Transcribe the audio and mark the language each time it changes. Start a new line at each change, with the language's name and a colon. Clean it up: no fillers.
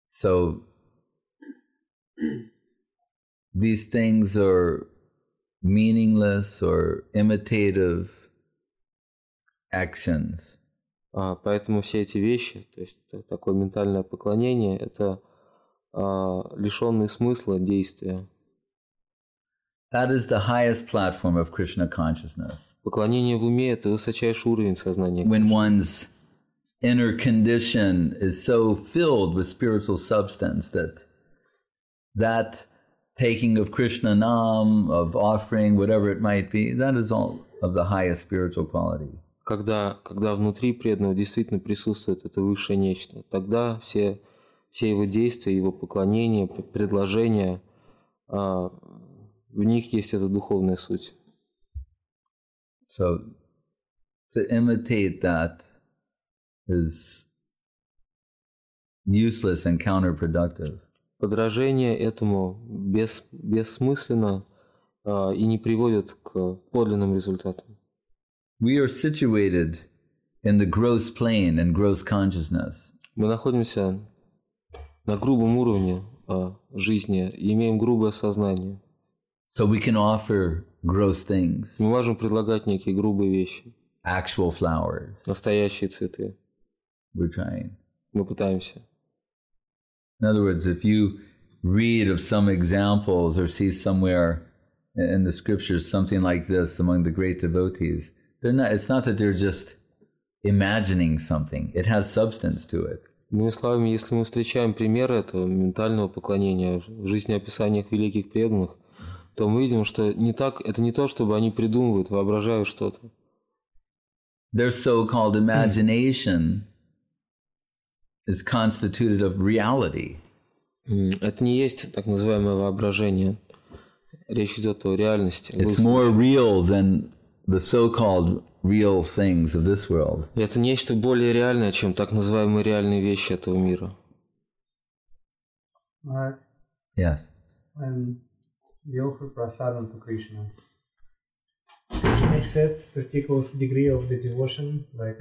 English: So these things are meaningless or imitative actions.
Russian: Поэтому все эти вещи, то есть такое ментальное поклонение, это лишенные смысла действия.
English: That is the highest platform of Krishna consciousness.
Russian: Поклонение в уме — это высочайший уровень сознания.
English: When one's inner condition is so filled with spiritual substance that taking of Krishna nam, of offering, whatever it might be, that is all of the highest spiritual quality.
Russian: Когда внутри преданного действительно присутствует это высшее нечто, тогда все его действия, его поклонения, предложения, в них есть эта духовная суть.
English: So, to imitate that is useless and counterproductive.
Russian: Подражение этому бессмысленно и не приводит к подлинным результатам.
English: We are situated in the gross plane and gross consciousness.
Russian: Мы находимся на грубом уровне жизни, имеем грубое сознание.
English: So we can offer gross things.
Russian: Мы можем предлагать некие грубые вещи.
English: Actual flowers.
Russian: Настоящие цветы.
English: We're trying.
Russian: Мы пытаемся.
English: In other words, if you read of some examples or see somewhere in the scriptures something like this among the great devotees, they're not, it's not that they're just imagining something. It has substance to it.
Russian: Иными словами, если мы встречаем примеры этого ментального поклонения в жизнеописаниях великих преданных, то мы видим, что не так, это не то, чтобы они придумывают, воображают что-то.
English: Their so-called imagination is constituted of reality.
Russian: Это не есть так называемое воображение. Речь идет о реальности.
English: It's more real than the so-called real things of this world.
Russian: Это нечто более реальное, чем так называемые реальные вещи этого мира.
English: Mark. Yes. When we offer prasadam to Krishna, Krishna accepts a particular degree of the devotion, like.